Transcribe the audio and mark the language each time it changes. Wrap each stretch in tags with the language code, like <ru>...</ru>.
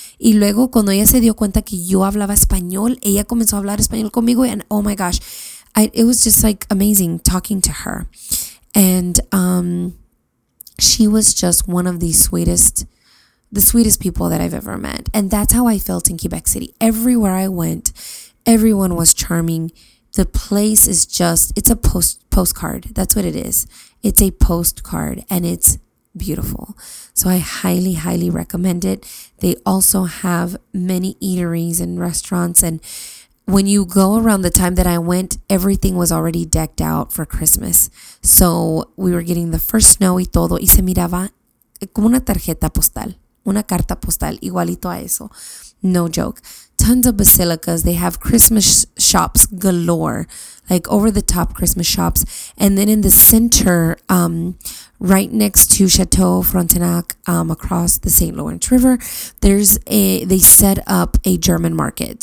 <es>Y luego cuando ella se dio cuenta que yo hablaba español, ella comenzó a hablar español conmigo.</es> <en>And oh my gosh, it was just like amazing talking to her. And she was just one of the sweetest people that I've ever met. And that's how I felt in Quebec City. Everywhere I went, everyone was charming. The place is just, it's a postcard. That's what it is. It's a postcard and it's beautiful. So I highly, highly recommend it. They also have many eateries and restaurants. And when you go around the time that I went, everything was already decked out for Christmas. So we were getting the first snow</en> <es>y todo. Y se miraba como una tarjeta postal, una carta postal, igualito a eso.</es> <en>No joke. Tons of basilicas. They have Christmas shops galore, like over the top Christmas shops. And then in the center, right next to Chateau Frontenac, across the St. Lawrence River, they set up a German market.</en>